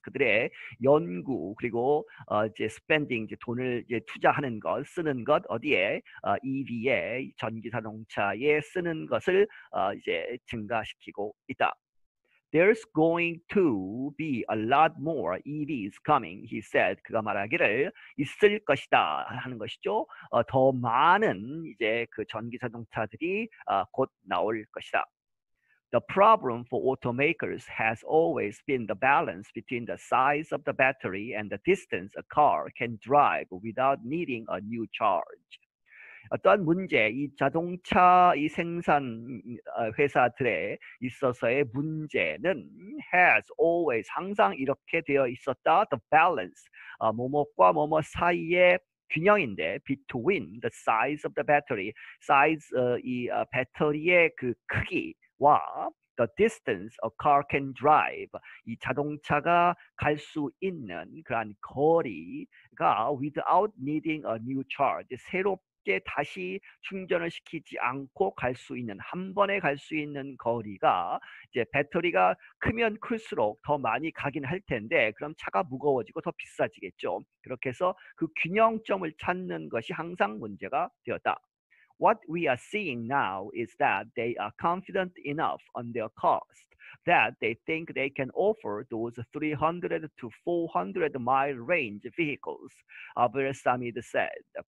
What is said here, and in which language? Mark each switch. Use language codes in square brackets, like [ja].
[ko] 그들의 연구 그리고 이제 spending 이제 돈을 이제 투자하는 것 쓰는 것 어디에 EV에 전기 자동차에 쓰는 것을 이제 증가시키고 있다. [en] There's going to be a lot more EVs coming, he said. [ko] 그가 말하기를 있을 것이다 하는 것이죠. 더 많은 이제 그 전기 자동차들이 곧 나올 것이다. [en] The problem for automakers has always been the balance between the size of the battery and the distance a car can drive without needing a new charge. [ko] 어떤 문제, 이 자동차 이 생산 회사들에 있어서의 문제는 [en] has always [ko] 항상 이렇게 되어 있었다. [en] The balance [ko] 뭐뭐과 뭐뭐 사이에 균형인데 [en] between the size of the battery, size [ko] 이 배터리의 그 크기와 [en] The distance a car can drive, [ko] 이 자동차가 갈수 있는 그러한 거리가 [en] without needing a new charge, [ko] 새롭게 다시 충전을 시키지 않고 갈수 있는, 한 번에 갈수 있는 거리가 이제 배터리가 크면 클수록 더 많이 가긴 할 텐데, 그럼 차가 무거워지고 더 비싸지겠죠. 그렇게 해서 그 균형점을 찾는 것이 항상 문제가 되었다. [en] What we are seeing now is that they are confident enough on their cost that they think they can offer those 300 to 400 mile range vehicles, Abdulsamid said.